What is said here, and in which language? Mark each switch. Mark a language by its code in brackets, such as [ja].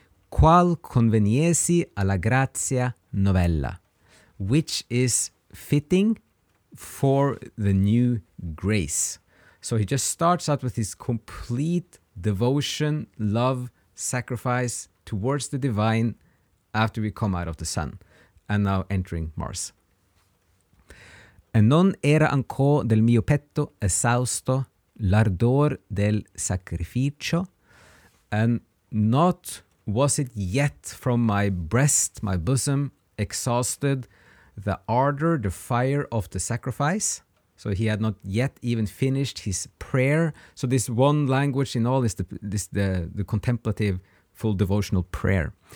[it] Qual conveniesi alla grazia novella, [en] which is fitting for the new grace. So he just starts out with his complete devotion, love, sacrifice towards the divine after we come out of the sun and now entering Mars. [it] E non era ancora del mio petto esausto l'ardor del sacrificio. [en] And not was it yet from my breast, my bosom, exhausted the ardor, the fire of the sacrifice. So he had not yet even finished his prayer. So this one language in all is the contemplative, full devotional prayer.